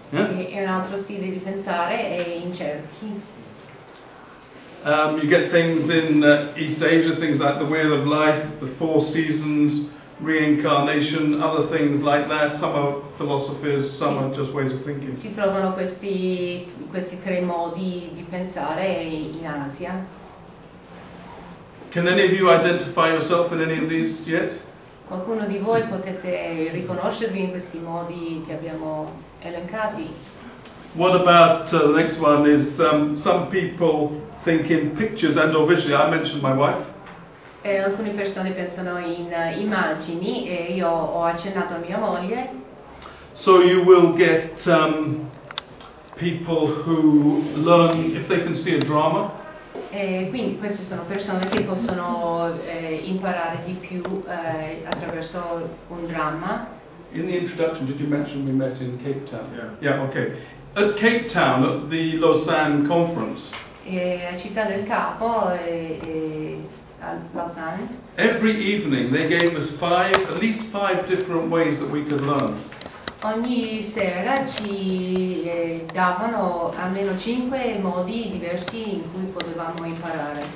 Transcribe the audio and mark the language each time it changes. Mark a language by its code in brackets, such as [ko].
[it] E un altro stile di pensare è in cerchi. [en] You get things in East Asia, things like the Wheel of Life, the Four Seasons, reincarnation, other things like that. Some are philosophies, some are just ways of thinking. [it] Si trovano questi tre modi di pensare in Asia. [en] Can any of you identify yourself in any of these yet? [it] Qualcuno di voi potete riconoscervi in questi modi che abbiamo elencati? [en] What about the next one is some people think in pictures and or visually. I mentioned my wife. [it] Alcune persone pensano in immagini e io ho accennato a mia moglie. [en] So you will get people who learn if they can see a drama. [it] Quindi queste sono persone che possono imparare di più attraverso un dramma. [en] In the introduction, did you mention we met in Cape Town? Yeah. Yeah, okay. At Cape Town, at the Lausanne conference. [it] A Città del Capo, a Lausanne. [en] Every evening, they gave us at least five different ways that we could learn. [it] Ogni sera ci davano almeno 5 modi diversi in cui potevamo imparare.